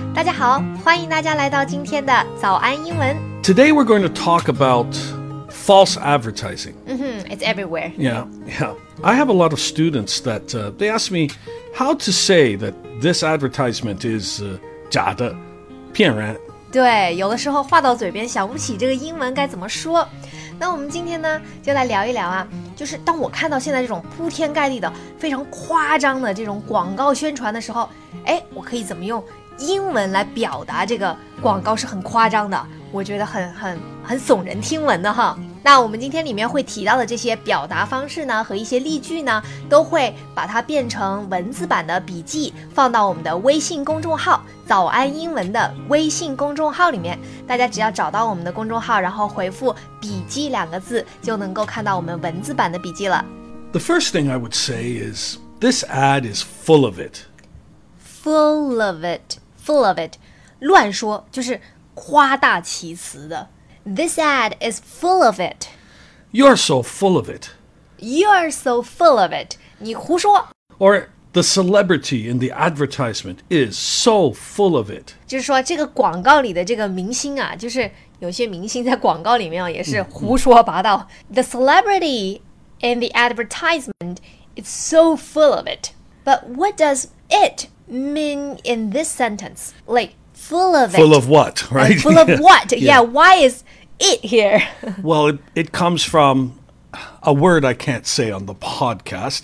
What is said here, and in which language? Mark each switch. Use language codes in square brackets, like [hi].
[zh] 大家好，欢迎大家来到今天的早安英文。 [en] Today we're going to talk about false advertising. Mm-hmm, it's everywhere. Yeah. I have a lot of students that, they ask me how to say that this advertisement is... [zh] 假的，骗人。对，有的时候话到嘴边想不起这个英文该怎么说。那我们今天呢，就来聊一聊啊，就是当我看到现在这种铺天盖地的、非常夸张的这种广告宣传的时候，哎，我可以怎么用英文来表达这个广告是很夸张的？我觉得很耸人听闻的哈。那我们今天里面会提到的这些表达方式呢和一些例句呢，都会把它变成文字版的笔记，放到我们的微信公众号早安英文的微信公众号里面。大家只要找到我们的公众号，然后回复笔记两个字，就能够看到我们文字版的笔记了。 [en] The first thing I would say is this ad is full of it. Full of it, full of it. [zh] 乱说，就是夸大其词的。 [en] This ad is full of it. You're so full of it. You're so full of it. [zh] 你胡说。 [en] Or the celebrity in the advertisement is so full of it. [zh] 就是说这个广告里的这个明星啊，就是有些明星在广告里面也是胡说八道。 [en] The celebrity in the advertisement is so full of it. But what does it mean in this sentence? Like,Full of it. Full of what, right? Full of what? Yeah, why is it here? Well, it comes from a word I can't say on the podcast.